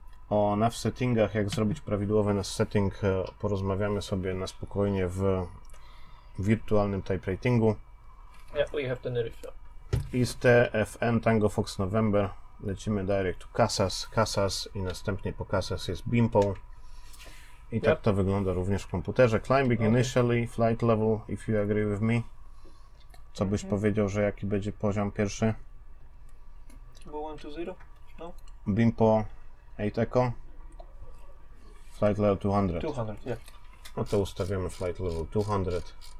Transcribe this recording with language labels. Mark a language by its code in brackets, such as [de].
[pl] O NAV settingach, jak zrobić prawidłowy NAV setting, porozmawiamy sobie na spokojnie w wirtualnym type ratingu. [en] Yeah, we have Tenerife. Is TFN Tango Fox November. [pl] Lecimy direct to Casas, Casas i następnie po Casas jest Bimpo. I tak to wygląda również w komputerze. [en] Climbing initially, flight level, if you agree with me. [pl] Co byś powiedział, że jaki będzie poziom pierwszy? [en] Go 120? No. Bimpo 8 Echo. Flight level 200. 200, yeah. [pl] No to ustawiamy flight level 200.